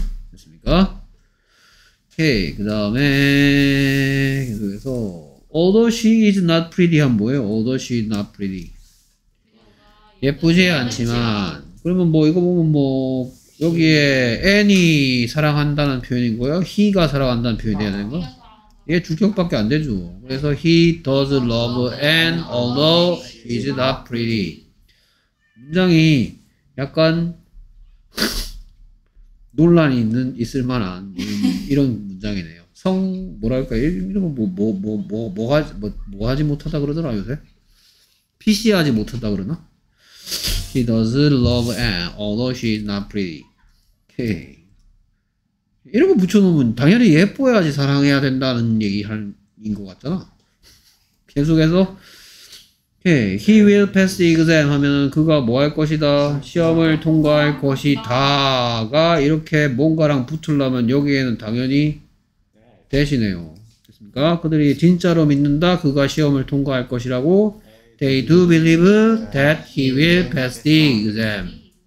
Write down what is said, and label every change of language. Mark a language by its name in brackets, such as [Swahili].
[Korean] 됐습니까? 오케이. 그 다음에 계속해서 [English] Although she is not pretty [Korean] 한 뭐예요? [English] Although she is not pretty. [Korean] 예쁘지 않지만. 그러면 뭐 이거 보면 뭐 여기에 N이 사랑한다는 표현인 거예요? He가 사랑한다는 표현이 되어야 되는 거? 얘 주격밖에 안 되죠. [English] 그래서 He does love N although he is not pretty. [Korean] 굉장히 약간 논란이 있는, 있을 만한 이런 문장이네요. 성, 뭐랄까, 이런 거 뭐 하지 못하다 그러더라, 요새? PC 하지 못한다 그러나? [English] She does love Anne, although she is not pretty. [Korean] 오케이. 이런 거 붙여놓으면 당연히 예뻐야지 사랑해야 된다는 얘기인 것 같잖아. 계속해서. 오케이. [English] He will pass the exam [Korean] 하면은 그가 뭐 할 것이다. 시험을 통과할 것이다가 이렇게 뭔가랑 붙으려면 여기에는 당연히 대시네요. 됐습니까? 그들이 진짜로 믿는다. 그가 시험을 통과할 것이라고. [English] They do believe that he will pass the exam.